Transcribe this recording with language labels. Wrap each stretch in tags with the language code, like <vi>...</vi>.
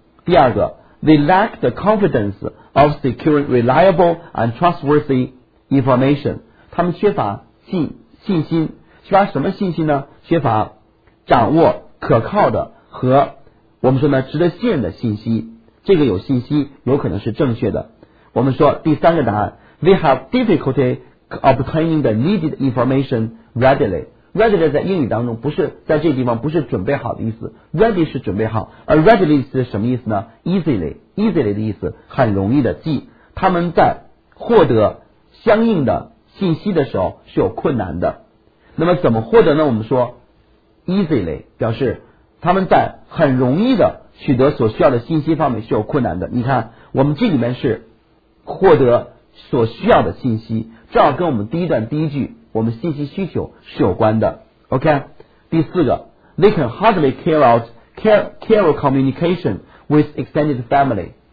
<zh>第二个</zh> <en>they lack the confidence of securing reliable and trustworthy information，</en> <zh>他们缺乏信心，缺乏什么信心呢？缺乏掌握可靠的和我们说呢值得信任的信息，这个有信息有可能是正确的。我们说第三个答案</zh> <en>they have difficulty obtaining the needed information readily。</en> <zh>Ready 在英语当中不是在这地方不是准备好的意思， Ready 是准备好，而 Readily 是什么意思呢？ Easily 的意思，很容易的，即他们在获得相应的信息的时候是有困难的。那么怎么获得呢？我们说 Easily 表示他们在很容易的取得所需要的信息方面是有困难的。你看我们这里面是获得所需要的信息，正好跟我们第一段第一句我们信息需求是有关的。</zh> <en>OK，</en> <zh>第四个</zh> <en>They can hardly carry out communication with extended family。</en>